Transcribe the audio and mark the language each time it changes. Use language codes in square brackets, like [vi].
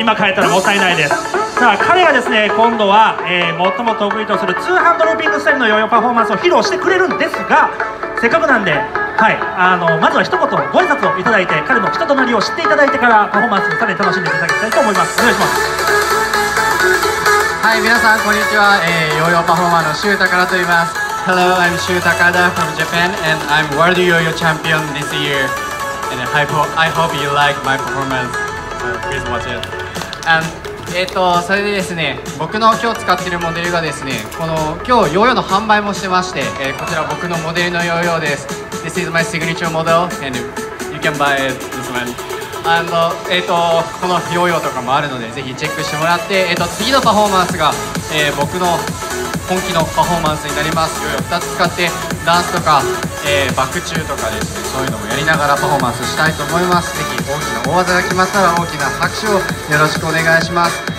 [ja] 今変えたらもったいないです。さあ彼がですね今度は、最も得意とするツーハンドルーピングスタイルのヨーヨーパフォーマンスを披露してくれるんですが、せっかくなんで、はい、まずは一言ご挨拶をいただいて彼の人となりを知っていただいてからパフォーマンスをさらに楽しんでいただきたいと思います。お願いします。はい、皆さんこんにちは、ヨーヨーパフォーマーの周高田と言います。 [en] Hello, I'm 周高田 from Japan and I'm World Yo-Yo Champion this year and I hope you like my performance. Please watch it. [ja] andそれでですね、僕の今日使っているモデルがですね、この今日ヨーヨーの販売もしてまして、こちら僕のモデルのヨーヨーです。 [en] This is my signature model and you can buy it this one. [ja] and このヨーヨーとかもあるのでぜひチェックしてもらって、次のパフォーマンスが、僕の本気のパフォーマンスになります。ヨーヨー2つ使ってダンスとか、バク宙とかですね、そういうのもやりながらパフォーマンスしたいと思います。ぜひ大きな大技が決まったら大きな拍手をよろしくお願いします。